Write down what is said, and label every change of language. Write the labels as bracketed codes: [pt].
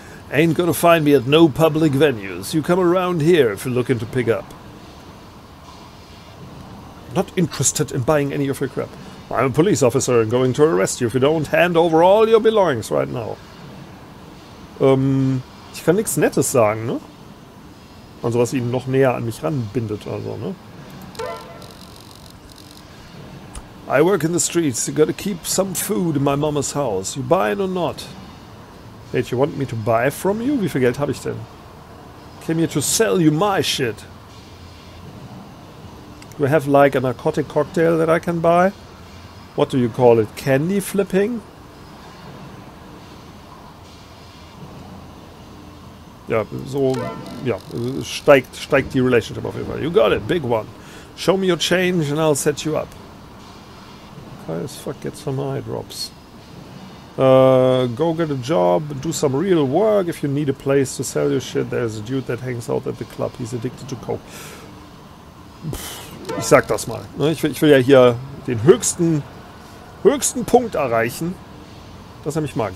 [en] Ain't gonna find me at no public venues. You come around here if you're looking to pick up. Not interested in buying any of your crap. I'm a police officer and going to arrest you if you don't hand over all your belongings right now. [de] Ich kann nichts Nettes sagen, ne? Also was ihn noch näher an mich ranbindet oder so, ne? [en] I work in the streets. You gotta keep some food in my mama's house. You buying or not? Hey, do you want me to buy from you? [de] Wie viel Geld habe ich denn? [en] Came here to sell you my shit. Do you have like a narcotic cocktail that I can buy? What do you call it? Candy flipping? [de] Ja, so, ja, steigt die Relationship auf jeden Fall. [en] You got it, big one. Show me your change and I'll set you up. Okay, as fuck, get some eye drops. Go get a job, do some real work. If you need a place to sell your shit, there's a dude that hangs out at the club. He's addicted to coke. [de] Ich sag das mal. Ich will ja hier den höchsten Punkt erreichen, dass er mich mag.